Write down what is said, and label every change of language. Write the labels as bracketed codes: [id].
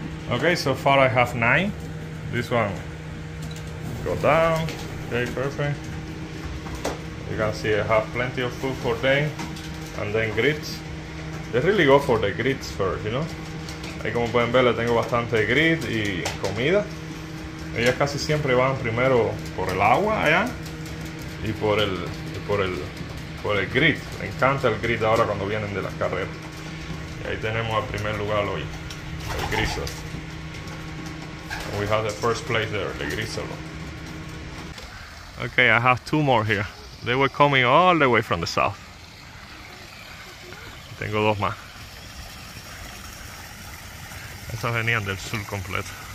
[en] Okay, so far I have nine. This one. Go down, okay, perfect. You can see I have plenty of food for them, and then grits. They really go for the grits first, you know? [es] Ahí como pueden ver, le tengo bastante grit y comida. Ellas casi siempre van primero por el agua allá y por el grit. Me encanta el grit ahora cuando vienen de la carrera. Y ahí tenemos al primer lugar hoy, el grizzle. [en] And we have the first place there, the grizzle. Okay, I have two more here. They were coming all the way from the south. [es] Tengo dos más. Estas venían del sur completo.